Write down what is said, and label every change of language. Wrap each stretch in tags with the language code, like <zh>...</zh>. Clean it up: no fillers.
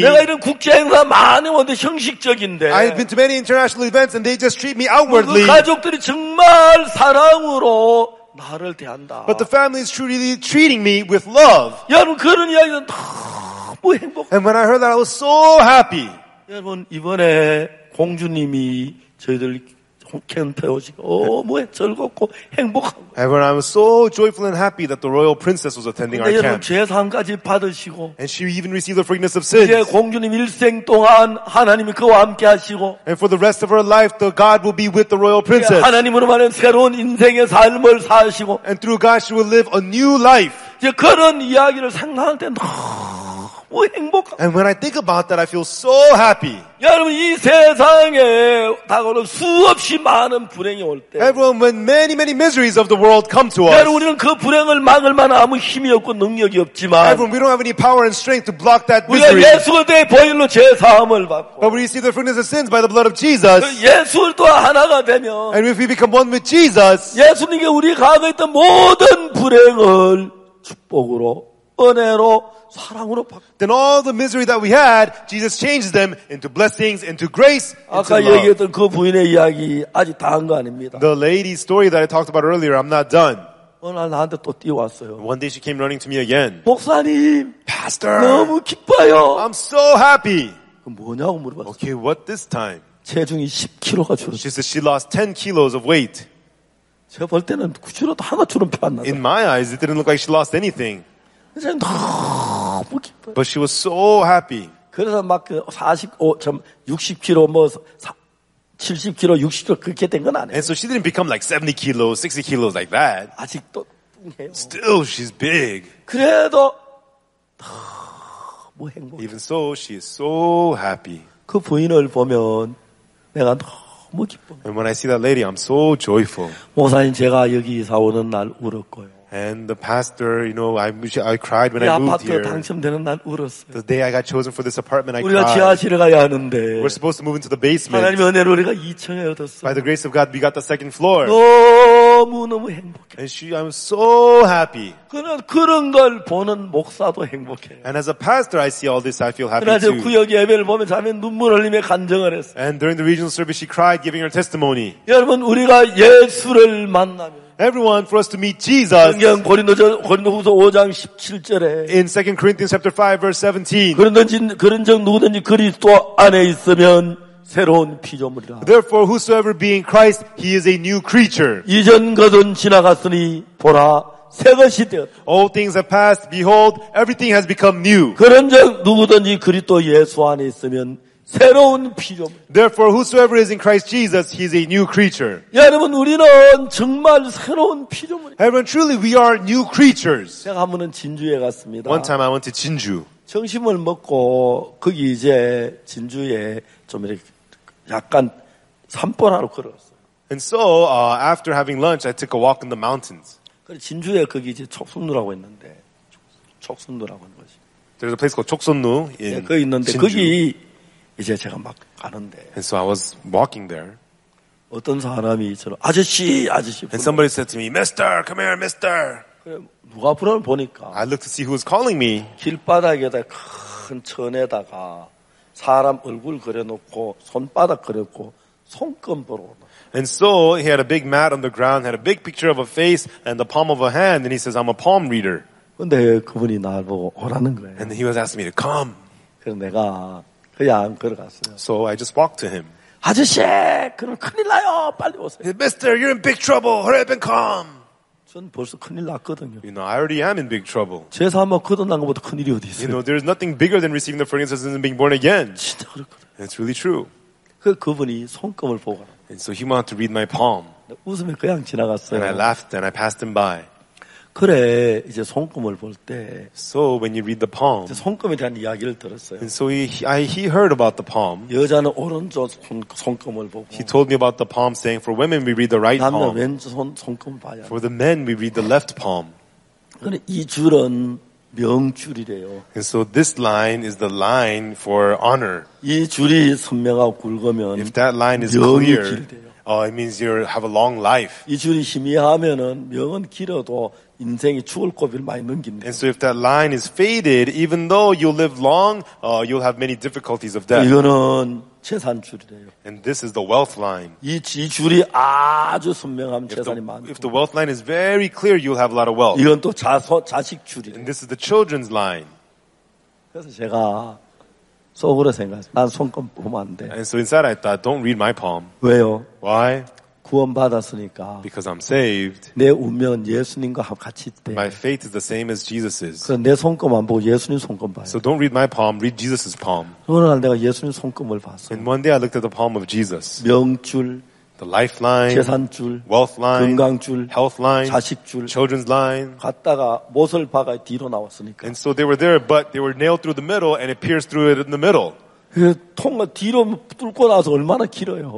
<ko>내가 이런 국제 행사 많이 오는데 형식적인데.</ko> <en>I've been to many international events and they just treat me outwardly.</en> <ko>그 가족들이 정말 사랑으로.</ko> <en>But the family is truly treating me with love.</en> <ko>여러분 그런 이야기는 너무 행복.</ko> <en>And when I heard that, I was so happy.</en> <ko>여러분 이번에 공주님이 저희들 캠프에 오시고 너무 즐겁고 행복하고.</ko> <en>And when I was so joyful and happy that the royal princess was attending our camp.</en> <ko>여러분 죄 사함까지 받으시고.</ko> <en>And she even received the forgiveness of sins.</en> <ko>이제 공주님 일생 동안 하나님이 그와 함께하시고.</ko> <en>And for the rest of her life, the God will be with the royal princess.</en> <ko>하나님으로 말하는 새로운 인생의 삶을 사시고.</ko> <en>And through God, she will live a new life.</en> <ko>이제 그런 이야기를 상상할 때 너무 행복.</ko> <en>And when I think about that, I feel so happy.</en> <ko>여러분 이 세상에 다가오는 수없이 많은 불행이 올 때.</ko> <en>Everyone, when many many miseries of the world come to us.</en> <ko>여러분 우리는 그 불행을 막을 만한 아무 힘이 없고 능력이 없지만.</ko> <en>Everyone, we don't have any power and strength to block that misery.</en> <ko>우리가 예수를 통해 보혈로 죄 사함을 받고.</ko> <en>But we receive the forgiveness of sins by the blood of Jesus.</en> <ko>예수를 또 하나가 되면.</ko> <en>And if we become one with Jesus.</en> <ko>예수님께 우리 가운데 있던 모든 불행을 축복으로 은혜로.</ko> <en>Then all the misery that we had, Jesus changes them into blessings, into grace, into love.</en> <ko>아까 얘기했던 그 부인의 이야기 아직 다 한 거 아닙니다.</ko> <en>The lady's story that I talked about earlier, I'm not done.</en> <ko>어느 날 나한테 또 뛰어왔어요.</ko> <en>One day she came running to me again.</en> <ko>목사님,</ko> <en>Pastor,</en> <ko>너무 기뻐요.</ko> <en>I'm so happy.</en> <ko>그 뭐냐고 물어봤어요.</ko> <en>Okay, what this time?</en> <ko>체중이 10kg가 줄었어.</ko> <en>She said she lost 10 kilos of weight.</en> <ko>제가 볼 때는 그치로도 하나처럼 표 안 나.</ko> <en>In my eyes, it didn't look like she lost anything. But she was so happy.</en> <ko>그래서 막 60kg 뭐 70kg, 60kg 그렇게 된 건 아니에요.</ko> <en>And so she didn't become like 70kg, 60kg like that.</en> <ko>아직도 뚱해요.</ko> <en>Still, she's big.</en> <ko>그래도 뭐 행복해.</ko> <en>Even so, she is so happy.</en> <ko>그 부인을 보면 내가 너무 기뻐.</ko> <en>And when I see that lady, I'm so joyful.</en> <ko>목사님, 제가 여기 이사 오는 날 울었고요.</ko> <en>And the pastor, you know, I cried when I moved here.</en> <ko>당첨되는 날 울었어요.</ko> <en>The day I got chosen for this apartment, I cried.</en> <ko>우리가 지하실에 가야 하는데.</ko> <en>We're supposed to move into the basement.</en> <ko>하나님 은혜로 우리가 2층에 얻었어.</ko> <en>By the grace of God, we got the second floor.</en> <ko>너무 너무 행복해.</ko> <en>And I'm so happy.</en> <ko>그런 그런 걸 보는 목사도 행복해.</ko> <en>And as a pastor, I see all this, I feel happy too.</en> <ko>그날 구역 예배를 보면 자매 눈물 흘리며 간증을 했어.</ko> <en>And during the regional service, she cried, giving her testimony.</en> <ko>여러분, 우리가 예수를 만나면.</ko> <en>Everyone, for us to meet Jesus.</en> <ko>고린도후서 5장 17절에</ko> <en>In 2 Corinthians chapter 5 verse 17.</en> <ko>그런 누구든지 그리스도 안에 있으면 새로운 피조물이라.</ko> <en>Therefore, whosoever be in Christ, he is a new creature.</en> <ko>이전 것은 지나갔으니 보라 새 것이 되었다.</ko> <en>All things have passed. Behold, everything has become new.</en> <ko>그런 누구든지 그리스도 예수 안에 있으면 새로운 피조물.</ko> <en>Therefore, whosoever is in Christ Jesus, he is a new creature.</en> <ko>야, 여러분, 우리는 정말 새로운 피조물.</ko> <en>Everyone, truly, we are new creatures.</en> <ko>제가 한 번은 진주에 갔습니다.</ko> <en>One time, I went to Jinju.</en> <ko>점심을 먹고 거기 이제 진주에 좀 이렇게 약간 산보라로 걸었어요.</ko> <en>And so, after having lunch, I took a walk in the mountains.</en> <ko>그래, 진주에 거기 이제 촉순루라고 있는데, 촉순루라고 하는 거지.</ko> <en>There's a place called 촉순루 in 네,</en> <ko>거기 있는데 진주. 거기 이제 제가 막 가는데.</ko> <en>And so I was walking there.</en> <ko>어떤 사람이 저를 아저씨, 아저씨.</ko> <en>And somebody said to me, Mister, come here, Mister.</en> <ko>누가 부르는 보니까.</ko> <en>I looked to see who was calling me.</en> <ko>길바닥에다 큰 천에다가 사람 얼굴 그려놓고 손바닥 그렸고 손금으로.</ko> <en>And so he had a big mat on the ground, had a big picture of a face and the palm of a hand, and he says, I'm a palm reader.</en> <ko>근데 그분이 나를 보고 오라는 거예요.</ko> <en>And he was asking me to come.</en> <ko>그래서 내가 그냥 걸어갔어요.</ko> <en>So I just walked to him.</en> <ko>아저씨, 그럼 큰일 나요. 빨리 오세요.</ko> <en>Mister, you're in big trouble. Hurry up and come.</en> <ko>전 벌써 큰일 났거든요.</ko> <en>You know, I already am in big trouble.</en> <ko>제사 한번 거듭난 것보다 큰 일이 어디 있어요?</ko> <en>You know, there is nothing bigger than receiving the forgiveness and being born again.</en> <ko>진짜 그렇거든.</ko> <en>It's really true.</en> <ko>그분이 손금을 보고.</ko> <en>And so he wanted to read my palm.</en> <ko>웃으면 그냥 지나갔어요.</ko> <en>And I laughed and I passed him by.</en> <ko>그래 이제 손금을 볼 때</ko> <en>So when you read the palm</en> <ko>손금에 대한 이야기를 들었어요.</ko> <en>And so he heard about the palm.</en> <ko>여자는 오른손 손금을 보고</ko> <en>He told me about the palm saying for women we read the right</en> <ko>남는</ko> <en>palm.</en> <ko>남는 왼손 손금 봐요.</ko> <en>For the men we read the left palm.</en> <ko>근데 이 줄은 명줄이래요.</ko> <en>And so this line is the line for honor.</en> <ko>이 줄이 선명하고 굵으면</ko> <en>If that line is clear it means you have a long life.</en> <ko>이 줄이 희미하면은 명은 길어도 인생이 죽을 고비를 많이 넘긴다.</ko> <en>And so if that line is faded, even though you live long, you'll have many difficulties of death.</en> <ko>이거는 재산 줄이래요.</ko> <en>And this is the wealth line.</en> <ko>이 줄이 아주 선명하면 재산이 많고.</ko> <en>If the wealth line is very clear, you'll have a lot of wealth.</en> <ko>이건 또 자식 줄이래요.</ko> <en>And this is the children's line.</en> <ko>그래서 제가 속으로 생각했어요. 난 손금 보면 안 돼.</ko> <en>And so inside I thought, don't read my palm.</en> <ko>왜요?</ko> <en>Why?</en> <ko>구원 받았으니까.</ko> <en>Because I'm saved.</en> <ko>내 운명은 예수님과 같이 돼.</ko> <en>My fate is the same as Jesus's.</en> <ko>그럼 내 손금 안 보고 예수님 손금 봐요.</ko> <en>So don't read my palm, read Jesus's palm.</en> <ko>오늘 날 내가 예수님 손금을 봤어.</ko> <en>And one day I looked at the palm of Jesus.</en> <ko>명줄.</ko> <en>The lifeline.</en> <ko>재산줄.</ko> <en>Wealth line.</en> <ko>건강줄.</ko> <en>Health line.</en> <ko>자식줄.</ko> <en>Children's line.</en> <ko>갔다가 못을 박아 뒤로 나왔으니까.</ko> <en>And so they were there, but they were nailed through the middle, and it pierced through it in the middle.</en> <ko>그 통과 뒤로 뚫고 나서 얼마나 길어요?</ko>